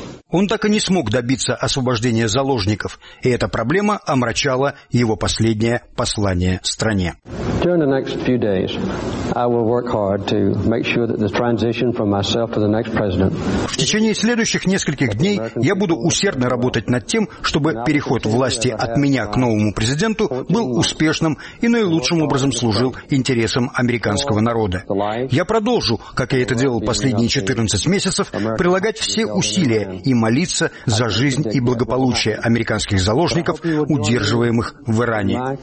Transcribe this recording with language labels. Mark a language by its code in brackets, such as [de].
[ru] Он так и не смог добиться освобождения заложников, и эта проблема омрачала его последнее послание стране. [en] During the next few days, I will work hard to make sure that the transition from myself to the next president. [ru] В течение следующих нескольких дней я буду усердно работать над тем, чтобы переход власти от меня к новому президенту был успешным и наилучшим образом служил интересам американского народа. Я продолжу, как я это делал последние 14 месяцев, прилагать все усилия и молиться за жизнь и благополучие американских заложников, удерживаемых в Иране.